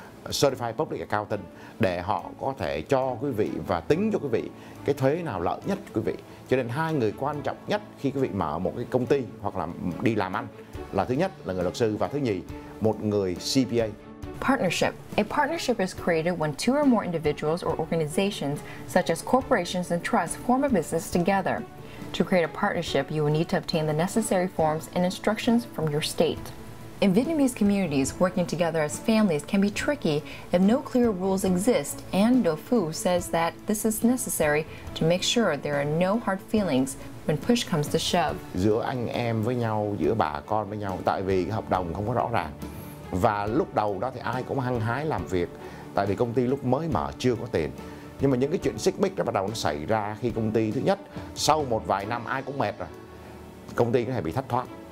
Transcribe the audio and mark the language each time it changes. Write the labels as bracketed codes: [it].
[en] Certified Public Accountant [vi] để họ có thể cho quý vị và tính cho quý vị cái thuế nào lợi nhất quý vị. Cho nên hai người quan trọng nhất khi quý vị mở một cái công ty hoặc là đi làm ăn là thứ nhất là người luật sư và thứ nhì một người CPA. [en] Partnership. A partnership is created when two or more individuals or organizations such as corporations and trusts form a business together. To create a partnership, you will need to obtain the necessary forms and instructions from your state. In Vietnamese communities, working together as families can be tricky if no clear rules exist, and Do Phu says that this is necessary to make sure there are no hard feelings when push comes to shove. [vi] Giữa anh em với nhau, giữa bà con với nhau, tại vì cái hợp đồng không có rõ ràng. Và lúc đầu đó thì ai cũng hăng hái làm việc, tại vì công ty lúc mới mở chưa có tiền. Nhưng mà những cái chuyện xích mích đó bắt đầu nó xảy ra khi công ty thứ nhất, sau một vài năm ai cũng mệt rồi, công ty có thể bị thất thoát.